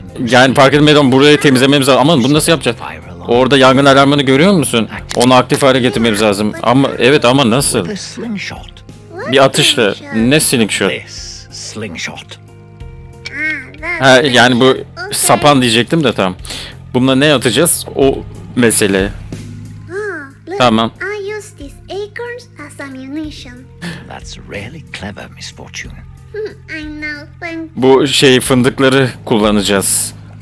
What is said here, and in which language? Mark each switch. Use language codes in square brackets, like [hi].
[tr] Yani fark etmeden burayı temizlememiz lazım. Aman bunu nasıl yapacağız? Orada yangın alarmını görüyor musun? Onu aktif hale getirmemiz lazım. Ama evet, ama nasıl? Bir atışla. Ne slingshot? Ha, yani bu sapan diyecektim de tamam. Bununla ne atacağız? O mesele. Tamam. [en] I use these acorns as ammunition. That's really clever, Miss Fortune. I know, thank you. [tr] Bu şey fındıkları kullanacağız.